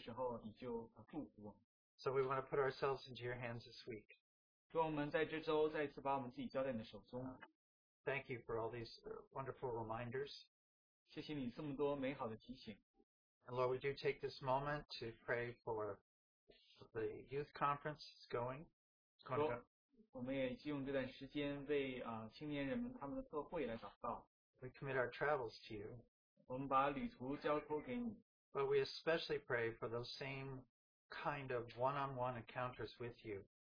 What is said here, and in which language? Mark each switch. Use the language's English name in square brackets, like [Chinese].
[Chinese] 当你光照我们的时候，我们看见我们的肉体在那里有阻隔。当我们悔改认罪的时候，你就祝福我们。 [English] So we want to put ourselves into your hands this week. [Chinese] 主，我们在这周再一次把我们自己交在你的手中。 [English] Thank you for all these wonderful reminders. [Chinese] 谢谢你这么多美好的提醒。 [English] And Lord, we do take this moment to pray for the youth conference that's going. [Chinese] 我们也利用这段时间为青年人们他们的特会来祷告。 [English] We commit our travels to you. [Chinese] 我们把旅途交托给你。 [English] But we especially pray for those same kind of one-on-one encounters with you.